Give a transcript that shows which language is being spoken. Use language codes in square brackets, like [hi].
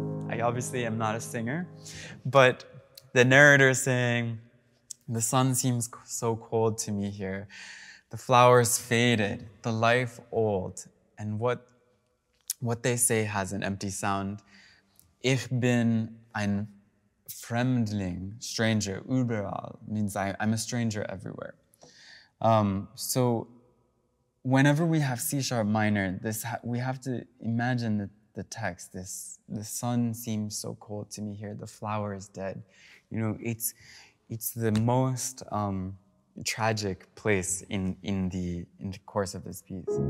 [en] I obviously am not a singer, but the narrator is saying, the sun seems so cold to me here. The flowers faded, the life old, and what they say has an empty sound. [de] Ich bin ein Fremdling, [en] stranger, [de] überall, [en] means I'm a stranger everywhere. So whenever we have C sharp minor, we have to imagine the text, the sun seems so cold to me here, the flower is dead. You know, it's the most tragic place in the course of this piece.